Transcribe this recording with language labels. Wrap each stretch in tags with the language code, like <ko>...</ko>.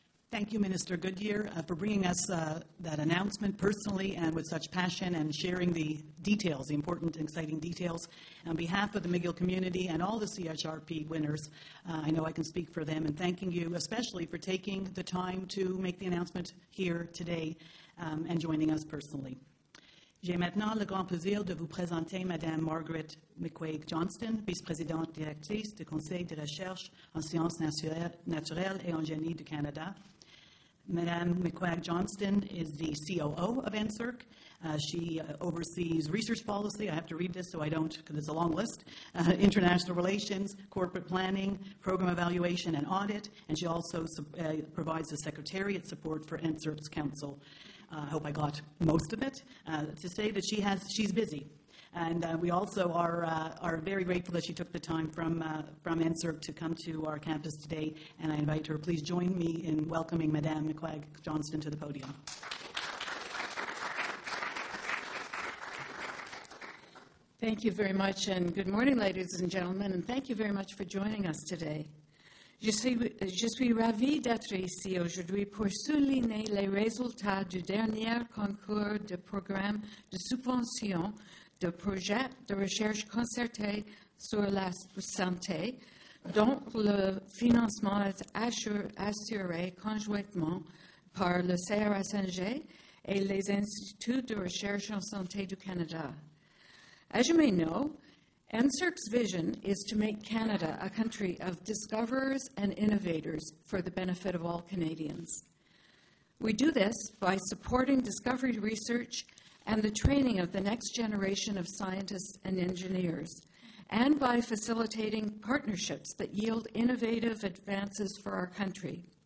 <en>Thank you, Minister Goodyear, for bringing us that announcement personally and with such passion and sharing the details, the important and exciting details. On behalf of the McGill community and all the CHRP winners, I know I can speak for them in thanking you, especially for taking the time to make the announcement here today and joining us personally.</en> <fr>J'ai maintenant le grand plaisir de vous présenter Madame Margaret McQuaig-Johnston, vice-présidente directrice du Conseil de recherche en sciences naturelles et en génie du Canada.</fr> <en>Madame McQuaig-Johnston is the COO of NSERC. She oversees research policy. I have to read this so I don't, because it's a long list. International relations, corporate planning, program evaluation and audit, and she also provides the secretariat support for NSERC's council. I hope I got most of it. To say that she's busy. And we also are very grateful that she took the time from NSERC to come to our campus today, and I invite her, please join me in welcoming Madame McQuaig-Johnston to the podium. Thank you very much, and good morning, ladies and gentlemen, and thank you very much for joining us today.</en> <fr>Je suis ravie d'être ici aujourd'hui pour souligner les résultats du dernier concours de programme de subvention de projets de recherche concertée sur la santé, dont le financement est assuré conjointement par le CRSNG et les Instituts de recherche en santé du Canada.</fr> <en>As you may know, NSERC's vision is to make Canada a country of discoverers and innovators for the benefit of all Canadians. We do this by supporting discovery research and the training of the next generation of scientists and engineers, and by facilitating partnerships that yield innovative advances for our country.</en>